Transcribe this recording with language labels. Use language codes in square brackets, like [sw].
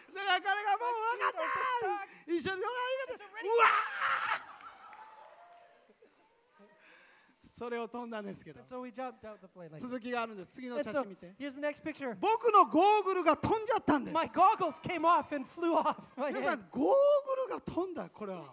[ja] だから彼がもう分かった。一緒に動画上げて。うわ。それを飛んだんですけど、 [en] so like、 [ja] 続きがあるんです次の写真見て、 [en] so、here's the next picture. [ja] 僕のゴーグルが飛んじゃったんです [en] my goggles came off and flew off my head. [ja] 皆さんゴーグルが飛んだこれは